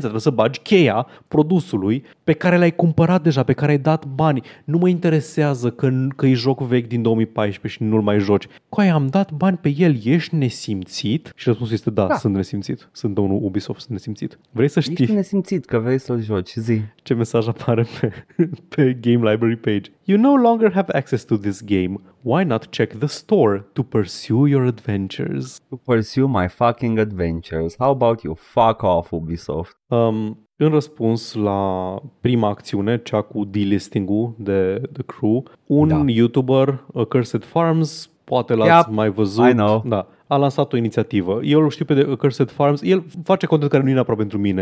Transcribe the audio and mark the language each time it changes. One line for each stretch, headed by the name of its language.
Romanian: Trebuie să bagi cheia produsului pe care l-ai cumpărat deja, pe care ai dat bani. Nu mă interesează că e joc vechi din 2014 și nu-l mai joci. Cu aia am dat bani pe el, ești nesimțit? Și răspunsul este da, sunt nesimțit. Sunt unul Ubisoft, sunt nesimțit. Vrei să știi? Ești nesimțit că vrei să-l joci, zi. Ce mesaj apare pe Game Library page?
English: You no longer have access to this game. Why not check the store to pursue your adventures? To pursue my fucking adventures. How about you fuck off, Ubisoft?
Romanian: În răspuns la prima acțiune, cea cu delisting-ul de The Crew, un YouTuber, Cursed Farms, poate l-ați mai văzut.
English: I know.
Romanian: Da. a lansat o inițiativă. Eu îl știu pe The Accursed Farms. El face content care nu e neapărat pentru mine.